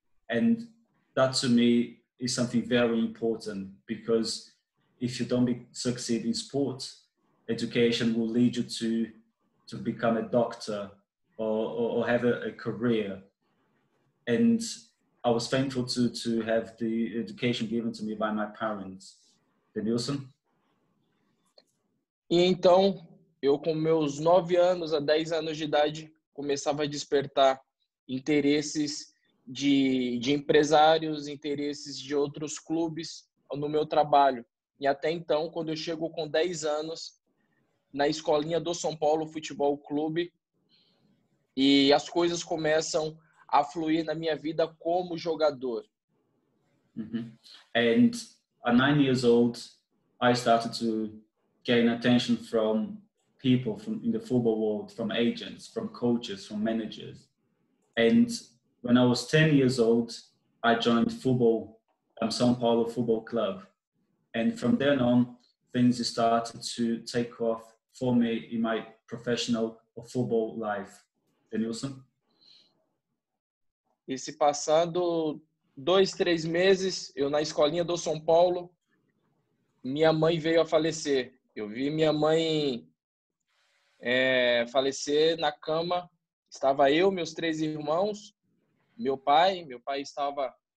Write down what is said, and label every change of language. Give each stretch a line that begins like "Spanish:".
English: And that to me is something very important, because if you don't succeed in sport, education will lead you to become a doctor or have a career. And I was thankful to have the education given to me by my parents. Denilson?
Portuguese: E então, eu com meus 9 anos a 10 anos de idade, começava a despertar interesses de empresários, interesses de outros clubes no meu trabalho. E até então, quando eu chego com 10 anos, na escolinha do São Paulo Futebol Clube, e as coisas começam a fluir na minha vida como jogador. Uhum.
English: And at 9 years old, I started to gain attention from people from in the football world, from agents, from coaches, from managers. And when I was 10 years old, I joined football, São Paulo Football Club. And from then on, things started to take off for me in my professional football life. Denilson?
Portuguese: E se passando 2-3 meses, eu na escolinha do São Paulo, minha mãe veio a falecer. Eu vi minha mãe falecer na cama. Estava eu, meus 3 irmãos, meu pai estava...